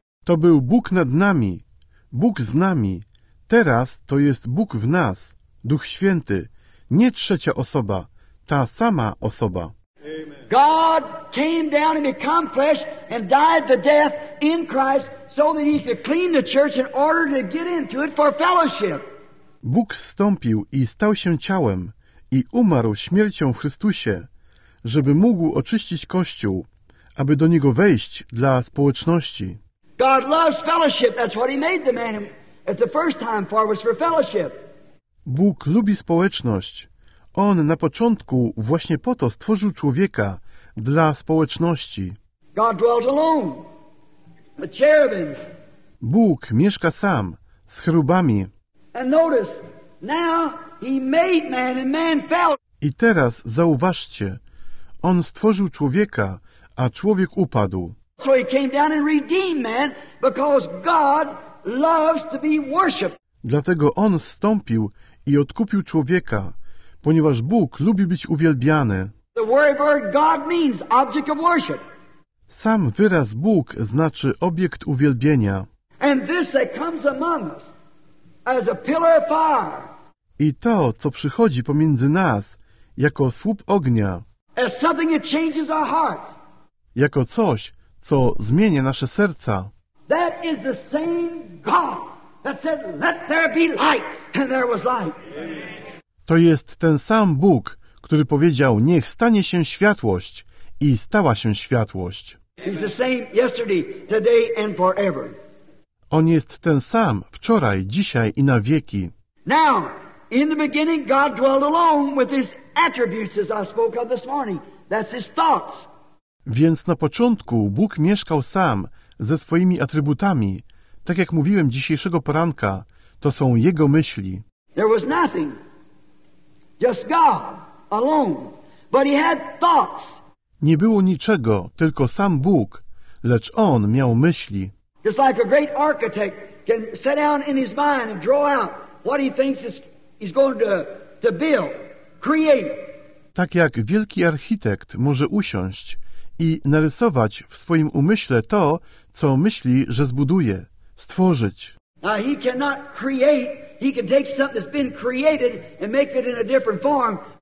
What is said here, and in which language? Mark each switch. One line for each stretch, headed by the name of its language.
Polish: To był Bóg nad nami, Bóg z nami. Teraz to jest Bóg w nas, Duch Święty, nie trzecia osoba, ta sama osoba.
English: God came down and became flesh and died the death in Christ so that he could clean the church in order to get into it for fellowship.
Polish: Bóg zstąpił i stał się ciałem i umarł śmiercią w Chrystusie, żeby mógł oczyścić Kościół, aby do niego wejść dla społeczności.
English: God loves fellowship. That's what he made the man at the first time for, was for fellowship.
Polish: Bóg lubi społeczność. On na początku właśnie po to stworzył człowieka dla społeczności.
English: God dwelt alone, the cherubims.
Polish: Bóg mieszka sam, z cherubami.
English: And notice, now he made man and man fell.
Polish: I teraz zauważcie, on stworzył człowieka, a człowiek upadł.
English: So he came down and redeemed man because God loves to be worshipped.
Polish: Dlatego on zstąpił i odkupił człowieka, ponieważ Bóg lubi być uwielbiany.
English: The word God means object of worship.
Polish: Sam wyraz Bóg znaczy obiekt uwielbienia.
English: And this that comes among us as a pillar of fire.
Polish: I to, co przychodzi pomiędzy nas, jako słup ognia.
English: As something that changes our hearts.
Polish: Jako coś, co zmienia nasze serca.
English: That is the same God that said, "Let there be light," and there was light.
Polish: To jest ten sam Bóg, który powiedział, niech stanie się światłość, i stała się światłość.
English: He's the same yesterday, today and forever.
Polish: On jest ten sam wczoraj, dzisiaj i na wieki.
English: Now, in the beginning, God dwelt alone with his attributes, as I spoke of this morning. That's his thoughts.
Polish: Więc na początku Bóg mieszkał sam ze swoimi atrybutami. Tak jak mówiłem dzisiejszego poranka, to są jego myśli.
English: There was nothing. Just God alone. But he had thoughts.
Polish: Nie było niczego, tylko sam Bóg, lecz on miał myśli.
English: Just like a great architect can sit down in his mind and draw out what he thinks he's going to build, create.
Polish: Tak jak wielki architekt może usiąść i narysować w swoim umyśle to, co myśli, że zbuduje, stworzyć.
English: Now he cannot create. He can take something that's been created and make it in a different form.